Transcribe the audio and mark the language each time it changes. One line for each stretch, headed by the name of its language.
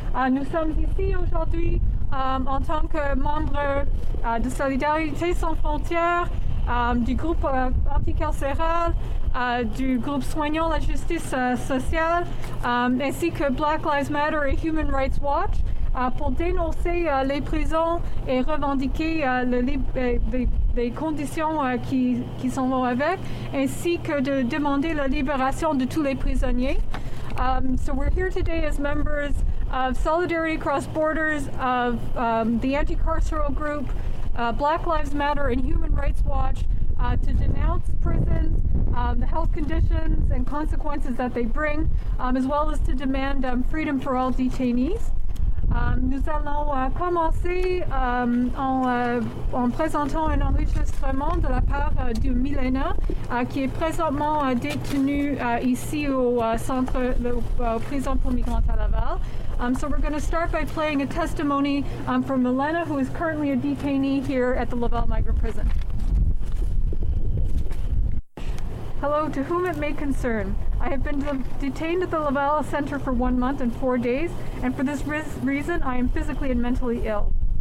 French: Nous sommes ici aujourd'hui en tant que membres de Solidarité sans frontières, du groupe anticarcéral, du groupe Soignons la justice sociale, ainsi que Black Lives Matter et Human Rights Watch, pour dénoncer les prisons et revendiquer les conditions qui s'en vont avec, ainsi que de demander la libération de tous les prisonniers.
English: So we're here today as members of Solidarity Across Borders of the anti-carceral group Black Lives Matter and Human Rights Watch to denounce prisons, the health conditions and consequences that they bring, as well as to demand freedom for all detainees.
French: Nous allons commencer en présentant un enregistrement de la part de Milena, qui est présentement détenue ici au centre, au prison pour migrants à Laval.
English: So we're going to start by playing a testimony from Milena, who is currently a detainee here at the Laval Migrant Prison. Hello, to whom it may concern. I have been detained at the Laval Center for 1 month and 4 days, and for this reason, I am physically and mentally ill.